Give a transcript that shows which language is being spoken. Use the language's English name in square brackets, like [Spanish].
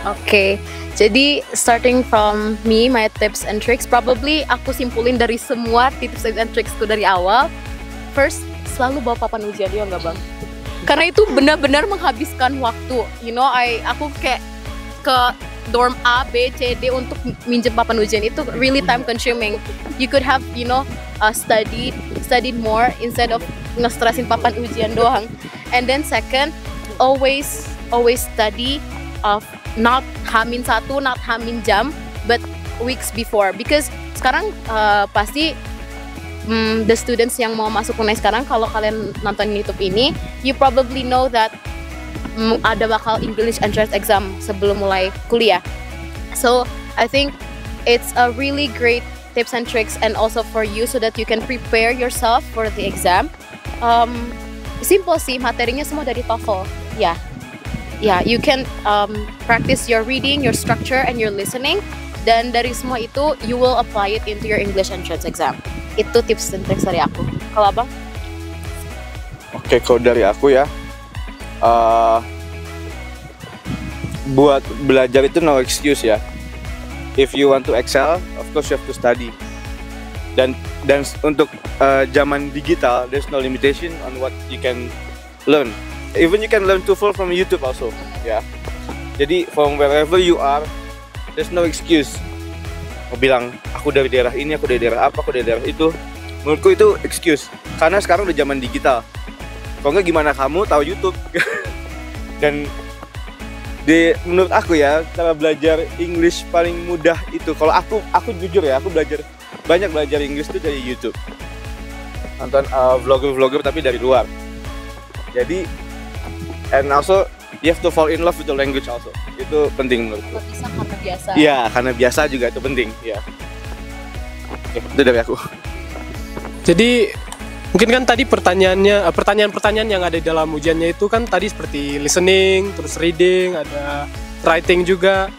[English] Oke, jadi starting from me, my tips and tricks. Probably [Indonesian] aku simpulin dari semua tips and tricksku dari awal. [English] First, [Indonesian] selalu bawa papan ujian, ya nggak, Bang? Karena itu benar-benar menghabiskan waktu. You know, aku kayak ke dorm A, B, C, D untuk minjem papan ujian. [English] Itu really time consuming. You could have, you know, studied more instead of [Indonesian] ngestresin papan ujian doang. [English] And then second, always study. Of not hamin satu, not hamin jam, but weeks before. Because [Indonesian] sekarang pasti [English] the students [Indonesian] yang mau masuk UNAI sekarang, kalau kalian nonton YouTube ini, [English] you probably know that [Indonesian] ada bakal [English] English entrance exam [Indonesian] sebelum mulai kuliah. [English] So I think it's a really great tips and tricks, and also for you so that you can prepare yourself for the exam. [Indonesian] Simple sih, materinya semua dari TOEFL, [English] yeah. Yeah, you can practice your reading, your structure, and your listening. [Indonesian] Dan dari semua itu, [English] you will apply it into your English entrance exam. [Indonesian] Itu tips dan tricks dari aku. Kalau Abang? Oke, kalau dari aku ya, buat belajar itu [English] no excuse [Indonesian] ya. [English] If you want to excel, of course you have to study. [Indonesian] Dan untuk zaman digital, [English] there's no limitation on what you can learn. Even you can learn TOEFL from YouTube also, yeah. [Indonesian] Jadi [English] from wherever you are, there's no excuse. [Indonesian] Mau bilang aku dari daerah ini, aku dari daerah apa, aku dari daerah itu, menurutku itu excuse. Karena sekarang udah zaman digital. Kalau nggak gimana kamu tahu YouTube? Dan di menurut aku ya, cara belajar English paling mudah itu, kalau aku jujur ya, aku belajar banyak belajar English itu dari YouTube, nonton vlogger-vlogger tapi dari luar. Jadi [English] and also you have to fall in love with the language also. [Indonesian] Itu penting menurutku. Kalau bisa karena biasa. Iya, karena biasa juga itu penting, iya. Oke, itu dari aku. Jadi mungkin kan tadi pertanyaan-pertanyaan yang ada dalam ujiannya itu kan tadi seperti listening, terus reading, ada writing juga.